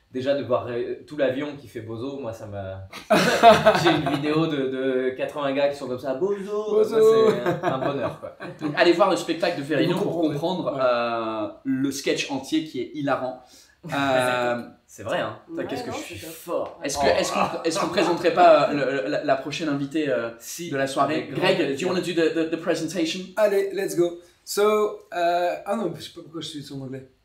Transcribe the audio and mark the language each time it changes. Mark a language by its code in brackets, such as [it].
[fr] Déjà de voir tout l'avion qui fait Bozo, moi ça m'a... J'ai une vidéo de 80 gars qui sont comme ça, Bozo, Bozo. Moi, c'est un bonheur quoi. Donc, allez voir le spectacle de Ferrino pour comprendre le sketch entier qui est hilarant. C'est vrai hein, ouais, qu'est-ce que non, je suis fort. Est-ce qu'on présenterait pas la prochaine invitée si, de la soirée? [en] Greg, do you want to do the presentation? [fr] Allez, [en] let's go. [fr] So, je sais pas pourquoi je suis en anglais.